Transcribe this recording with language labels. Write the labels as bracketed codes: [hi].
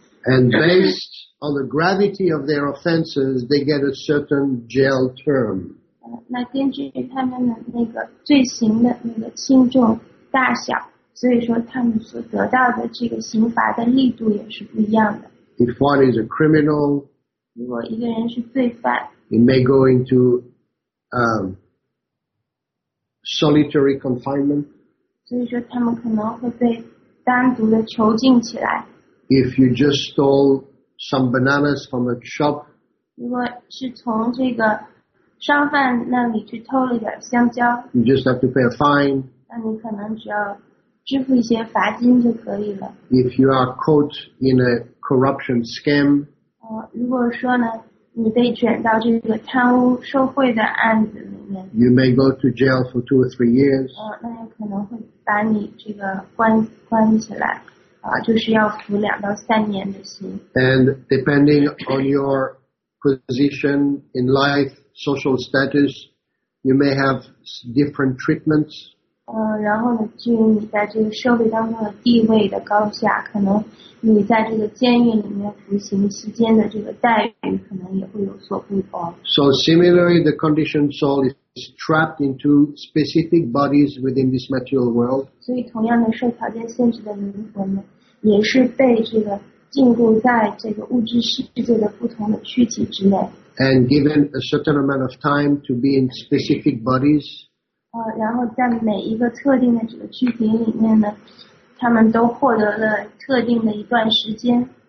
[en] And based on the gravity of their offenses, they get a certain jail term. [zh] 那根据他们的那个罪行的那个轻重大小，所以说他们所得到的这个刑罚的力度也是不一样的。 [en] If one is a criminal, [zh] 如果一个人是罪犯， [en] he may go into solitary confinement. [zh] 所以说他们可能会被单独的囚禁起来。 [en] If you just stole some bananas from a shop, [zh] 如果是从这个商贩那里去偷了点香蕉， [en] you just have to pay a fine. [zh] 那你可能只要支付一些罚金就可以了。 [en] If you are caught in a corruption scam, [zh] 如果说呢，你被卷到这个贪污受贿的案子里面， [en] you may go to jail for 2 or 3 years. [zh] 那也可能会把你这个关起来。就是要服2到3年的刑。 [en] And depending on your position in life, social status, you may have different treatments. [zh] 然后呢，至于你在这个社会当中的地位的高下，可能你在这个监狱里面服刑期间的这个待遇可能也会有所不同。 [en] So similarly, the conditioned soul is trapped into specific bodies within this material world. [zh] 所以同样的受条件限制的灵魂呢，也是被这个禁锢在这个物质世界的不同的躯体之内。 [en] And given a certain amount of time to be in specific bodies. [zh] 然后在每一个特定的这个躯体里面呢，他们都获得了特定的一段时间。